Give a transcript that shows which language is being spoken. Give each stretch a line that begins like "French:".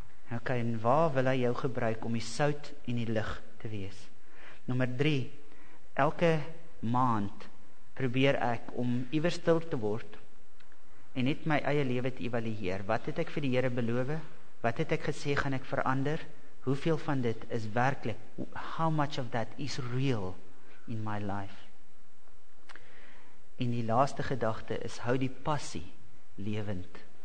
Afrikaans: Ok, en waar wil hy jou gebruik om die sout en die lig te wees? Nummer 3, elke maand probeer ek om iewers stil te word en net my eie lewe te evalueer. Wat het ek vir die Here beloof? Wat het ek gesê gaan ek verander? Hoeveel van dit is werklik?
English: How much of that is real in my life?
Afrikaans: En die laaste gedagte is, hou die passie lewend.